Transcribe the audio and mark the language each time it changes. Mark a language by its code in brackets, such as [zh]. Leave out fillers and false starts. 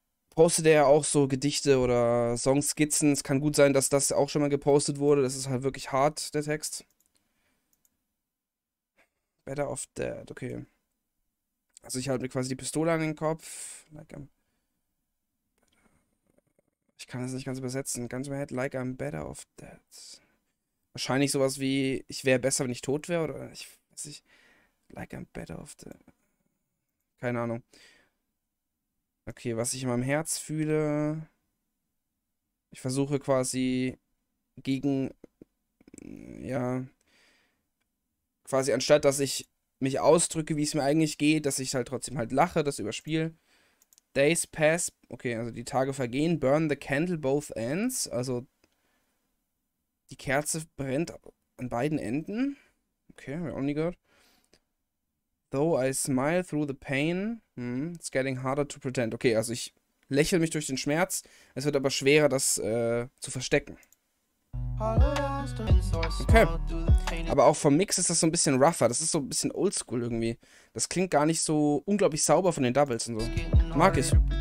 [de] Postet er ja auch so Gedichte oder Songskizzen. Es kann gut sein, dass das auch schon mal gepostet wurde. Das ist halt wirklich hart, der Text. [en] Better off dead, [de] okay. Also ich halte mir quasi die Pistole an den Kopf. [en] Like I'm, [de] ich kann das nicht ganz übersetzen. [en] Ganz mehr head, like I'm better off dead. [de] Wahrscheinlich sowas wie, ich wäre besser, wenn ich tot wäre. Oder ich weiß nicht. [en] Like I'm better off dead. [de] Keine Ahnung. Okay, was ich in meinem Herz fühle. Ich versuche quasi gegen, ja, quasi anstatt, dass ich mich ausdrücke, wie es mir eigentlich geht, dass ich halt trotzdem halt lache, das überspiele. [en] Days pass, [de] okay, also die Tage vergehen, [en] burn the candle both ends, [de] also die Kerze brennt an beiden Enden. Okay, haben wir auch nie gehört. [en] Though I smile through the pain, it's getting harder to pretend. [de] Okay, also ich lächle mich durch den Schmerz, es wird aber schwerer, das zu verstecken. Okay, aber auch vom Mix ist das so ein bisschen rougher, das ist so ein bisschen oldschool irgendwie. Das klingt gar nicht so unglaublich sauber von den Doubles und so. Mag ich.